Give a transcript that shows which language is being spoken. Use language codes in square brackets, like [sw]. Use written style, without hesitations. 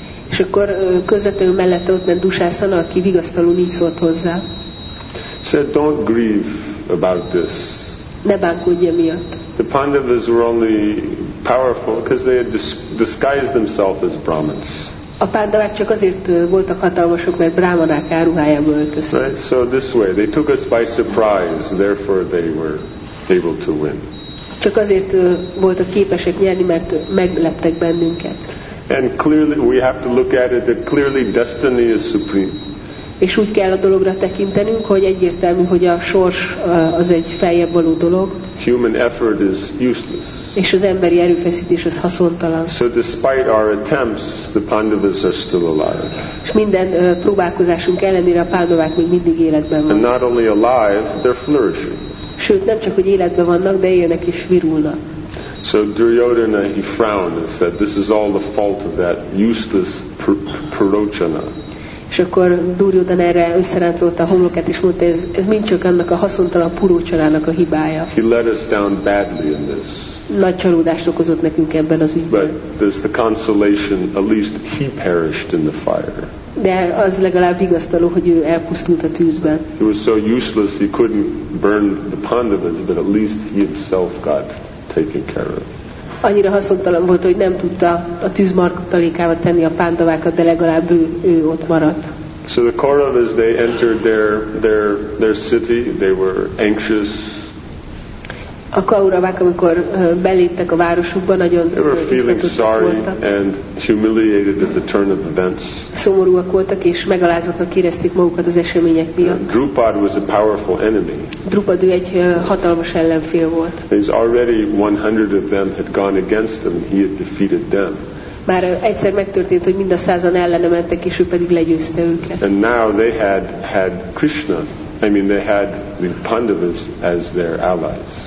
[hu] És akkor közvetlenül mellette ott ment Dushasana, aki vigasztalul így szólt hozzá. [en] Said, don't grieve about this. [hu] Ne bánkodj emiatt. [en] The Pandavas were only powerful because they had disguised themselves as Brahmins. [hu] A pándavák csak azért voltak hatalmasok, mert brámanák áruhájába öltöztek. [en] Right, so this way, they took us by surprise, therefore they were able to win. [hu] Csak azért voltak képesek nyerni, mert megleptek bennünket. [en] And clearly, we have to look at it that clearly destiny is supreme. [hu] És úgy kell a dologra tekintenünk, hogy egyértelmű, hogy a sors az egy feljebb való dolog. [en] Human effort is useless. [hu] És az emberi erőfeszítés az haszontalan. [en] So despite our attempts, the Pandavas are still alive. [hu] És minden próbálkozásunk ellenére a pándavák még mindig életben vannak. [en] And not only alive, they're flourishing. [hu] Sőt, nem csak hogy életben vannak, de élnek és virulnak. [en] So Duryodhana, he frowned and said, this is all the fault of that useless Purochana. [hu] És akkor Duryodhana erre összeráncolta a homlokát, és mondta, ez mind csak annak a haszontalan Purochanának a hibája. [en] He let us down badly in this. [hu] Nagy csalódást okozott nekünk ebben az ügyben. [en] But there's the consolation, at least he perished in the fire. [hu] De az legalább vigasztaló, hogy ő elpusztult a tűzben. [en] He was so useless he couldn't burn the Pandavas, but at least he himself got taken care of. [hu] Annyira haszontalan volt, hogy nem tudta a tűzmarkatalékával tenni a pándavákat, de legalább ő ott maradt. [en] So the Kauravas, they entered their city, they were anxious. [hu] A Kauravák, amikor beléptek a városukba, nagyon izgatottak voltak. [en] They were feeling sorry and humiliated at the turn of events. [hu] Szomorúak voltak, és megalázottnak érezték magukat az események miatt. [en] Drupad was a powerful enemy. [hu] Drupad, ő egy hatalmas ellenfél volt. [en] He's already 100 of them had gone against him. He had defeated them. [hu] Már egyszer megtörtént, hogy mind a 100-an ellene mentek, és ő pedig legyőzte őket. [en] And now they had Krishna. I mean, they had the Pandavas as their allies.